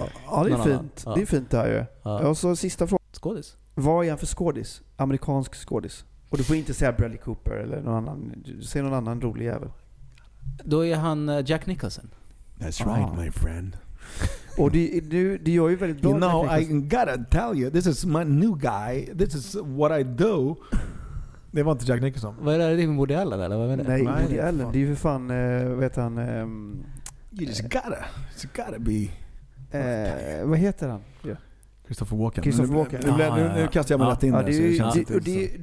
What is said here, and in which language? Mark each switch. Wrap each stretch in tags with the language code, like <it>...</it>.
<sv>någon annan. Fint. Ja, det är fint det här ju. Ja. Och så sista frågan. Skådis. Vad är han för skådis? Amerikansk skådis. Och du får inte säga Bradley Cooper eller någon annan. Säg någon annan rolig jävel. Då är han Jack Nicholson.</sv> <en>That's right, my friend.</en> <sv>Och du gör ju väldigt bra.</sv> <en>You know, I gotta tell you, this is my new guy. This is what I do.</en> <sv>Det var inte Jack Nicholson. Vad är det med Woody Allen eller vad menar du? Nej, Woody Allen. Det är ju för fan, vet han.</sv> <en>You just gotta. It's gotta be.</en> <sv>Vad heter han? Yeah. Christopher Walken. Christopher Walken. Nu kastar jag mig rätt in.</sv>